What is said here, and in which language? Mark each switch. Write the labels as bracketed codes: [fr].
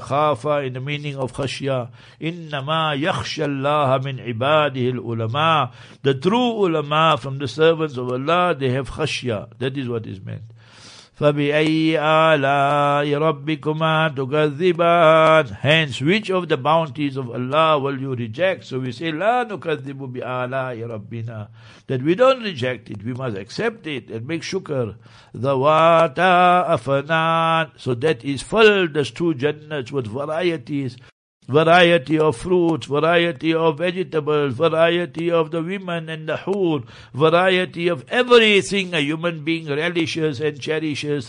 [ar] Khafa [en] in the meaning of [ar] khashya. Innama yakhsha Allah min ibadihi al-ulama. [en] The true ulama, from the servants of Allah, they have khashya. That is what is meant. [ar] فَبِأَيِّ آلَاءِ رَبِّكُمَا تُكَذِّبَانِ. [en] Hence, which of the bounties of Allah will you reject? So we say, [ar] لَا نُكَذِّبُ بِآلَاءِ رَبِّنَا. [en] That we don't reject it, we must accept it and make shukr. [ar] ذَوَاتَ أَفَنَانِ. [en] So that is filled, those two jannats, with varieties. variety of fruits, variety of vegetables, variety of the women and the hoor, variety of everything a human being relishes and cherishes.